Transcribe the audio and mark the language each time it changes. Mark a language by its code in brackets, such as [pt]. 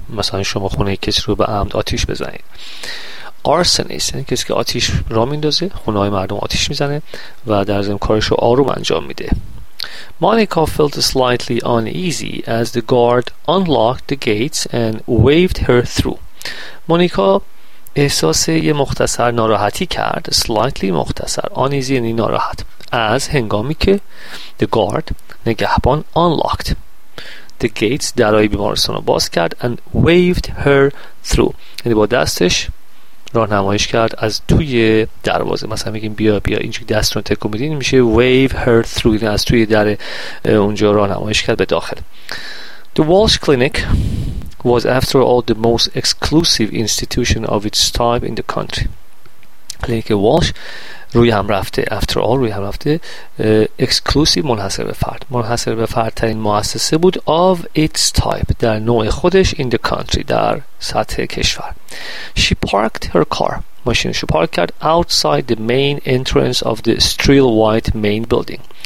[fa] مثلا شما خونه کسی رو به عمد آتش بزنید. Arsonist یعنی کسی که آتش را میندازه، خونه های مردم آتش میزنه و در ضمن کارش رو آروم انجام میده. [en] Monica felt slightly uneasy as the guard unlocked the gates and waved her through. [fa] مونیکا احساس یه مختصر ناراحتی کرد. Slightly مختصر. Uneasy یعنی ناراحت. از هنگامی که [en] the guard [fa] نگهبان [en] unlocked the gates [fa] درهای بیمارستان رو باز کرد [en] and waved her through. [fa] یعنی با دستش راه نمایش کرد از توی دروازه. مثلا میگیم بیا بیا اینجا دست رو تکون بدین، میشه [en] wave her through. [fa] از توی در اونجا راه نمایش کرد به داخل. [en] The Walsh Clinic was after all the most exclusive institution of its type in the country. [fa] کلینیک Walsh روی هم رفته. [en] After all [fa] روی هم رفته. Exclusive منحصر به فرد. منحصر به فرد ترین مؤسسه بود [en] of its type [fa] در نوع خودش [en] in the country [fa] در سطح کشور. [en] She parked her car. [fa] ماشینش رو پارک کرد [en] outside the main entrance of the steel white main building.